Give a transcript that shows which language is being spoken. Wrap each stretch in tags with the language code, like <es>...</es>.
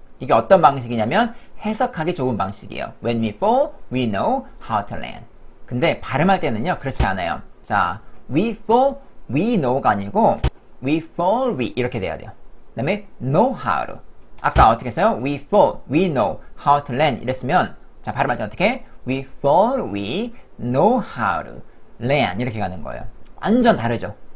<ko>이게 어떤 방식이냐면 해석하기 좋은 방식이에요.</ko> <en>When we fall, we know how to learn.</en> <ko>근데 발음할 때는요 그렇지 않아요.</ko> <en>자 We fall, we know</en> <ko>가 아니고</ko> <en>We fall, we</en> <ko>이렇게 돼야 돼요. 그 다음에</ko> <en>Know how to.</en> <ko>아까 어떻게 했어요?</ko> <en>We fall, we know how to learn</en> <ko>이랬으면 자 발음할 때 어떻게?</ko> <en>We fall, we know how to learn</en> <ko>이렇게 가는 거예요. 완전 다르죠?</ko>